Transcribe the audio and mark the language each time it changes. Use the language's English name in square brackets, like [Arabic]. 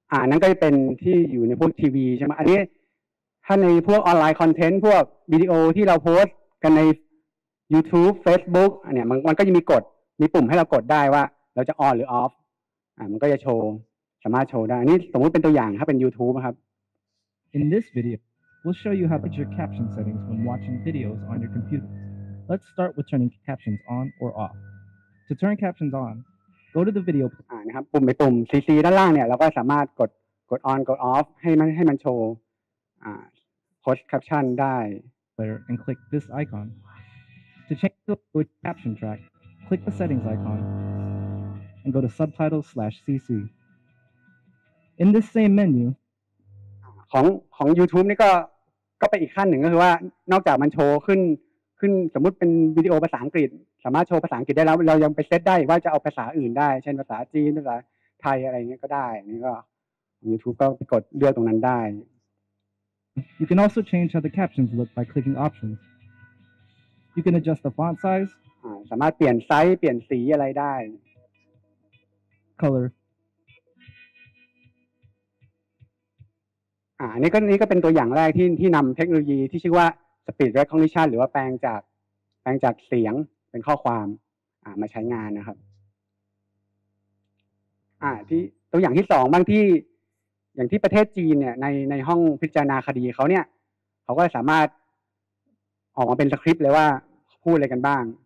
[Thai] นั้นก็จะเป็นที่อยู่ในพวกทีวีใช่ไหมอันนี้ถ้าในพวกออนไลน์คอนเทนต์พวกวิดีโอที่เราโพสต์กันใน YouTube Facebook อันเนี้ยมันก็จะมีปุ่มให้เรากดได้ว่าเราจะออนหรือออฟมันก็จะโชว์สามารถโชว์ได้อันนี้สมมุติเป็นตัวอย่างถ้าเป็น YouTube ครับ [English] In this video we'll show you how to adjust caption settings when watching videos on your computer. Let's start with turning captions on or off. To turn captions onGo to the video [Thai] นะครับปุ่มไปปุ่ม CC ด้านล่างเนี่ยเราก็สามารถกด on กด off ให้มันโชว์โค้ดแคปชั่นได้ [English] and click this icon to change the caption track click the settings icon and go to subtitles/CC in this same menu [Thai] ของ YouTube นี่ก็ไปอีกขั้นหนึ่งก็คือว่านอกจากมันโชว์ขึ้นสมมุติเป็นวิดีโอภาษาอังกฤษสามารถโชว์ภาษาอังกฤษได้แล้วเรายังไปเซตได้ว่าจะเอาภาษาอื่นได้เช่นภาษาจีนภาษาไทยอะไรเงี้ยก็ได้นี่ก็ YouTube ก็ไปกดเลือกตรงนั้นได้ [English] You can also change how the captions look by clicking options. You can adjust the font size. [Thai] สามารถเปลี่ยนไซส์เปลี่ยนสีอะไรได้ [English] color. [Thai] อันนี้ก็เป็นตัวอย่างแรกที่นำเทคโนโลยีที่ชื่อว่า speech recognition หรือว่าแปลงจากเสียงเป็นข้อความมาใช้งานนะครับที่ตัวอย่างที่สองบางที่อย่างที่ประเทศจีนเนี่ยในห้องพิจารณาคดีเขาเนี่ยเขาก็สามารถออกมาเป็นสคริปต์เลยว่าพูดอะไรกันบ้าง